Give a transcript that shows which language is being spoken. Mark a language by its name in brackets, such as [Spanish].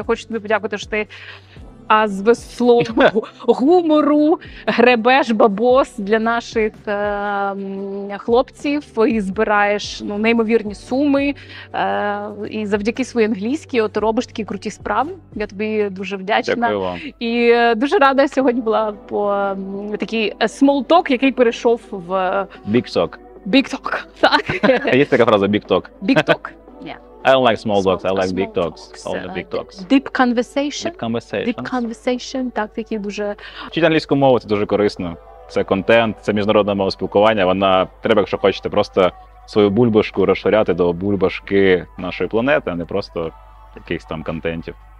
[Ukrainian] Хочу тобі подякувати, що ти з веслом гумору гребеш бабос для наших хлопців і збираєш, ну, неймовірні суми, і завдяки своїй англійській от робиш такі круті справи. Я тобі дуже вдячна. Дякую вам. І дуже рада сьогодні була по такий small talk, який перейшов в [English] big talk. Big talk. [Ukrainian] Так. Є така фраза big talk. [English] Big talk. I don't like small talks, I like big talks. All the big talks. Deep conversation. Deep conversation. Deep conversation. [Ukrainian] Так, такі дуже... Вчити англійську мову — це дуже корисно. Це контент, це міжнародне мова спілкування. Вона треба, якщо хочете, просто свою бульбашку розширяти до бульбашки нашої планети, а не просто якихось там контентів.